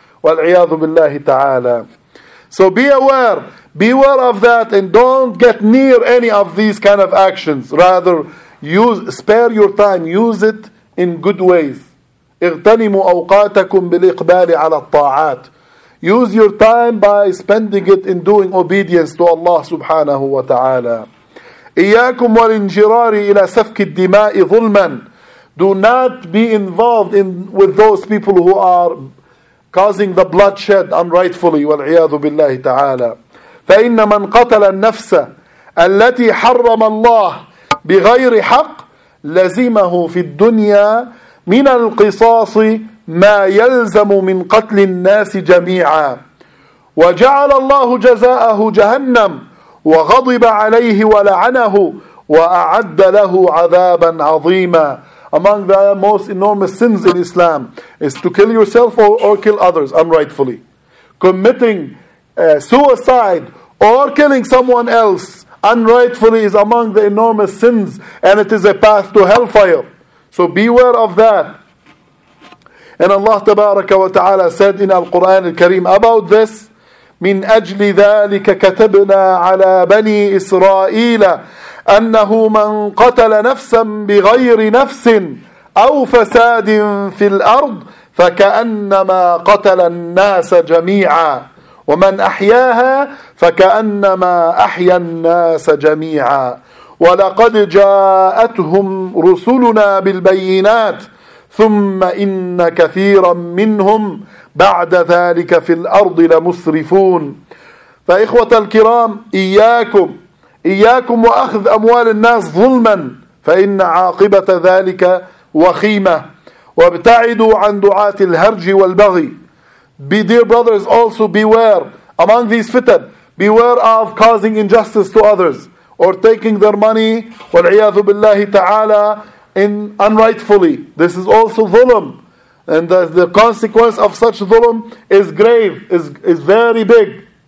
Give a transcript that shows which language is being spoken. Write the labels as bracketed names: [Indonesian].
[Arabic] وَالْعِيَاذُ بِاللَّهِ تَعَالَى. [English] So beware of that and don't get near any of these kind of actions. Rather, spare your time, use it in good ways. [Arabic] اغتنموا أوقاتكم بالإقبال على الطاعات. [English] Use your time by spending it in doing obedience to Allah subhanahu wa ta'ala. [Arabic] إياكم والانجرار إلى سفك الدماء ظلما. [English] Do not be involved with those people who are causing the bloodshed unrightfully. [Arabic] والعياذ بالله تعالى. فإن من قتل النفس التي حرم الله بغير حق لزمه في الدنيا من القصاص ما يلزم من قتل الناس جميعا. وجعل الله جزاءه جهنم وغضب عليه ولعنه وأعد له عذابا عظيما. [English] Among the most enormous sins in Islam is to kill yourself or kill others unrightfully. Committing suicide or killing someone else unrightfully is among the enormous sins, and it is a path to hellfire. So beware of that. And Allah tabaraka wa ta'ala said in Al-Quran al-Kareem about this, [Arabic] من أجل ذلك كتبنا على بني إسرائيل أنه من قتل نفسا بغير نفس أو فساد في الأرض فكأنما قتل الناس جميعا ومن أحياها فكأنما أحيا الناس جميعا ولقد جاءتهم رسلنا بالبينات ثم إن كثيرا منهم بعد ذلك في الأرض لمسرفون. فإخوة الكرام إياكم وأخذ أموال الناس ظلما فإن عاقبة ذلك وخيمة. وابتعدوا عن دعاة الهرج والبغي. [English] Be dear brothers, also beware among these fitan. Beware of causing injustice to others or taking their money, [Arabic] والعياذ بالله تعالى, [English] in unrightfully. This is also ظلم. And the consequence of such dhulm is grave, is very big.